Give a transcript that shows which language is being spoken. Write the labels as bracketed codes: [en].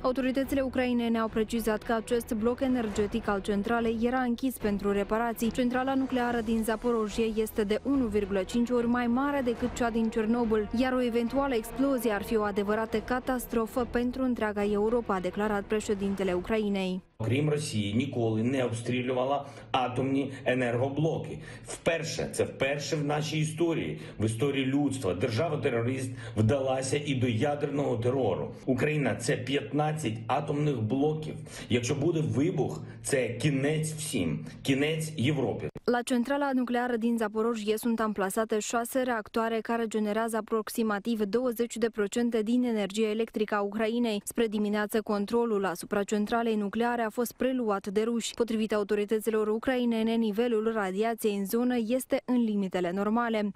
[ro] Autoritățile ucrainene au precizat că acest bloc energetic al centralei era închis pentru reparații. Centrala nucleară din Zaporojie este de 1,5 ori mai mare decât cea din Cernobâl, iar o eventuală explozie ar fi o adevărată catastrofă pentru întreaga Europa, a declarat președintele Ucrainei. [uk] Крім Росії, ніколи не обстрілювала атомні енергоблоки. Вперше, це вперше в нашій історії, в історії людства, держава-терорист вдалася і до ядерного терору. Україна – це 15 атомних блоків. Якщо буде вибух, це кінець всім, кінець Європі. [ro] La centrala nucleară din Zaporojie sunt amplasate 6 reactoare care generează aproximativ 20% din energia electrică a Ucrainei. Spre dimineață, controlul asupra centralei nucleare a fost preluat de ruși. Potrivit autorităților ucrainene, nivelul radiației în zonă este în limitele normale.